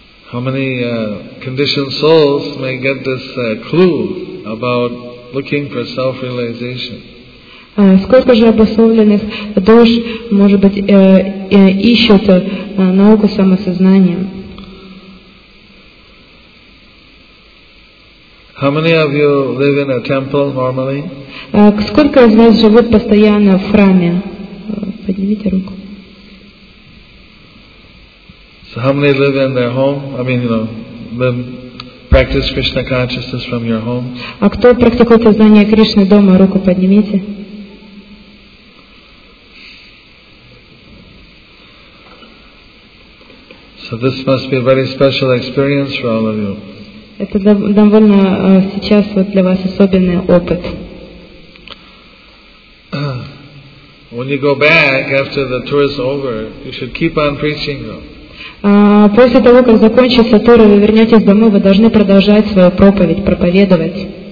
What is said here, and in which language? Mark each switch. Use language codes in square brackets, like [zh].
[en] How many conditioned souls may get this clue about looking for self-realization? [ru] Сколько же обусловленных душ, может быть, ищут науку самосознания? [en] How many of you live in a temple normally? [ru] Сколько из вас живут постоянно в храме? Поднимите руку. [en] So how many live in their home? I mean, you know, practice Krishna consciousness from your home? [ru] А кто практикует сознание Кришны дома? Руку поднимите. [en] So this must be a very special experience for all of you. [ru] Это довольно сейчас вот для вас особенный опыт. [en] When you go back after the tour is over, you should keep on preaching though. [ru] После того, как закончится тур, вы вернетесь домой, вы должны продолжать свою проповедь, проповедовать.